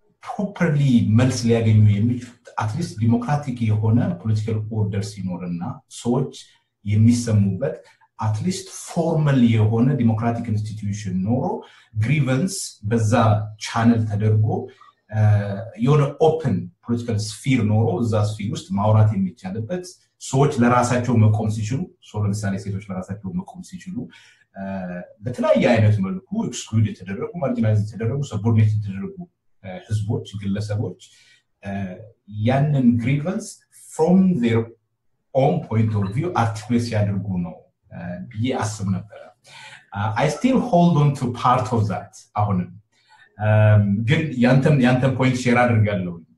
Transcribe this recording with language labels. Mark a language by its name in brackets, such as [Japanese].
[Amharic] properly መልስ ሊያገኙ የሚችል [English] at least democratic [Amharic] የሆነ [English] political order [Amharic] ሲኖርና ሰዎች የሚሰሙበት [English] at least formal [Amharic] የሆነ [English] democratic institution [Amharic] ኖሮ grievances በዛ channel ተደርጎ የሆነ [English] open political sphere [Amharic] ኖሮ እዛ sphere ውስጥ ማውራት የሚቻልበት ሰዎች ለራሳቸው መቆም ሲችሉ ለምሳሌ ሴቶች ለራሳቸው መቆም ሲችሉ በተለያየ አይነት መልኩ excluded ተደረጉ marginalized ተደረጉ subordinated ተደረጉ ህዝቦች ግለሰቦች ያንን grievance [English] from their own point of view [Amharic] articulate ያድርጉ ነው ብዬ አስብ ነበር. [English] I still hold on to part of that. [Amharic] አሁን ግን ያንተም point share አድርጋለሁ.